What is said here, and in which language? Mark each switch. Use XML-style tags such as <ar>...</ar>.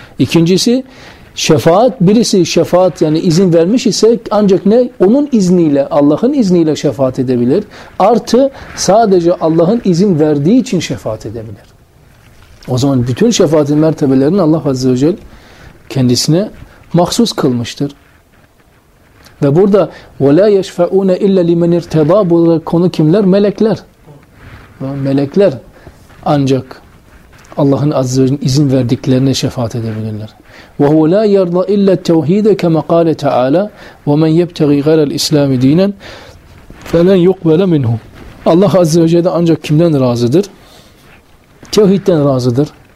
<tr>İkincisi, şefaat, birisi şefaat yani izin vermiş ise ancak ne? Onun izniyle, Allah'ın izniyle şefaat edebilir. Artı sadece Allah'ın izin verdiği için şefaat edebilir. O zaman bütün şefaatin mertebelerini Allah Azze ve Celle kendisine mahsus kılmıştır. Ve burada</tr> <ar>وَلَا يَشْفَعُونَ اِلَّا لِمَنْ اِرْتَضَى.</ar> <tr>Bu konu kimler? Melekler. Melekler ancak Allah'ın Azze ve Celle'nin izin verdiklerine şefaat edebilirler.</tr> <ar>وَهُوَ لَا يَرْضَى اِلَّا التَّوْحِيدَ كَمَا قَالَ تَعَالَى وَمَنْ يَبْتَغِي غَيْرَ الْاِسْلَامِ دِينًا فَلَنْ يُقْبَلَ مِنْهُ.</ar> <tr>Allah Azze ve Celle ancak kimden razıdır? Tevhidden razıdır.</tr>